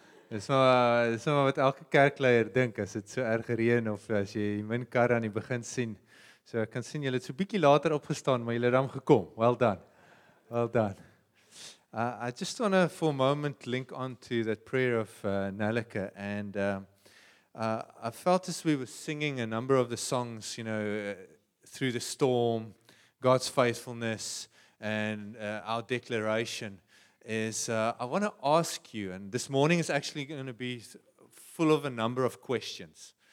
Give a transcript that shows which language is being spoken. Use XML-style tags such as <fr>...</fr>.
<af>Dis maar wat elke kerkleier dink, as het so erg reën of as jy die minkar aan die begin sien. So ek kan sien, julle het so bietjie later opgestaan, maar julle het dan gekom.</af> <en>Well done. I just want to for a moment link on to that prayer of Nalika and... I felt as we were singing a number of the songs, you know, through the storm, God's faithfulness, and our declaration is, I want to ask you, and this morning is actually going to be full of a number of questions.</en>